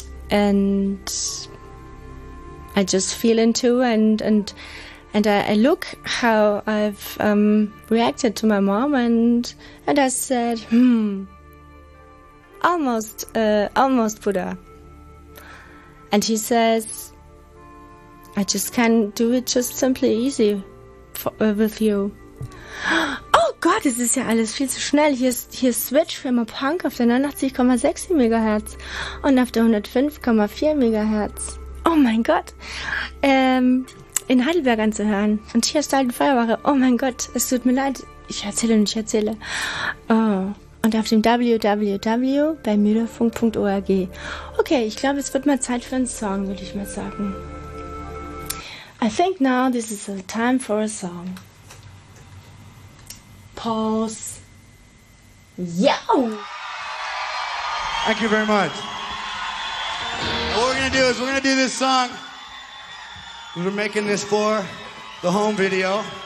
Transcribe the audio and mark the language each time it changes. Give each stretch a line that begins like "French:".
English: And I just feel into and I look how I've reacted to my mom and I said, almost Buddha. And he says, I just can't do it just simply easy with you.
German: Oh Gott, es ist ja alles viel zu schnell. Hier ist Switch für immer Punk auf der 89,6 MHz und auf der 105,4 MHz. Oh mein Gott. In Heidelberg anzuhören. Und hier ist die Feuerwache. Oh mein Gott, es tut mir leid. Ich erzähle. Oh. Und auf dem www bei müderfunk.org. Okay, ich glaube, es wird mal Zeit für einen Song, würde ich mal sagen.
English: I think now this is a time for a song. Pause. Yo! Thank you very much. What we're gonna do is we're gonna do this song. We're making this for the home video.